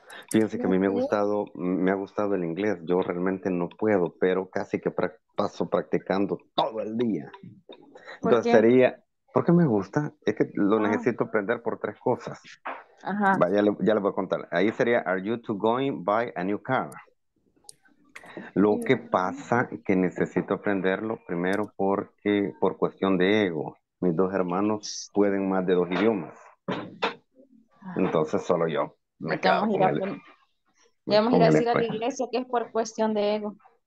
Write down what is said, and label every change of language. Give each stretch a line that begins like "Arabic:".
Spanish: Fíjense que a mí me ha gustado el inglés. Yo realmente no puedo, pero casi que paso practicando todo el día. Entonces sería, ¿por qué me gusta? Es que lo necesito aprender por tres cosas. Ajá. Ya le voy a contar. Ahí sería,
English: are you to going buy a new car?
Spanish: Lo que pasa que necesito aprenderlo primero porque, por cuestión de ego, mis dos hermanos pueden más de dos idiomas. Entonces, solo yo. Vamos a ir a la iglesia, que es por cuestión de ego.